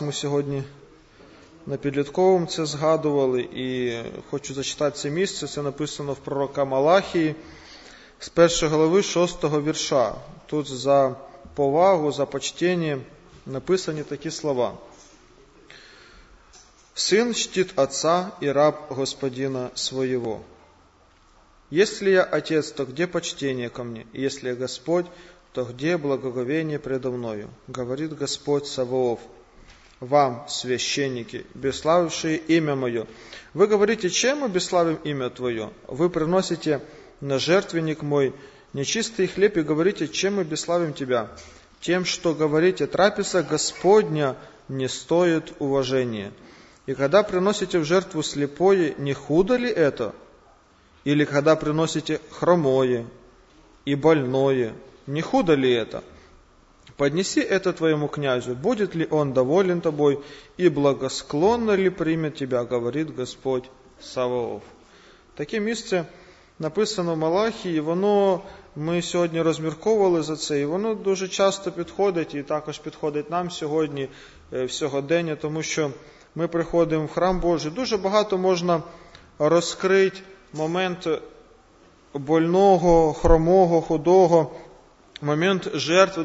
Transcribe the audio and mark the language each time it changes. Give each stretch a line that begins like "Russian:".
Ukrainian: Ми сьогодні на підлітковому це згадували, і хочу зачитати це місце. Це написано в пророка Малахії з 1 глави 6 вірша. Тут за повагу, за почтення написані такі слова.
Russian: «Син чтит отца и раб господина своего. Если я отец, то где почтение ко мне? Если я Господь, то где благоговение предо мною? Говорит Господь Саваоф. Вам, священники, бесславившие имя мое, вы говорите, чем мы бесславим имя твое? Вы приносите на жертвенник мой нечистый хлеб и говорите, чем мы бесславим тебя? Тем, что говорите, трапеза Господня не стоит уважения. И когда приносите в жертву слепое, не худо ли это? Или когда приносите хромое и больное, не худо ли это? Поднеси это твоему князю, будет ли он доволен тобой, и благосклонно ли примет тебя, говорит Господь Саваоф».
Ukrainian: Таке місце написано в Малахії, воно... Ми сьогодні розмірковували за це, і воно дуже часто підходить, і також підходить нам сьогодні, в сьогодення, тому що ми приходимо в храм Божий. Дуже багато можна розкрити момент больного, хромого, худого, момент жертви.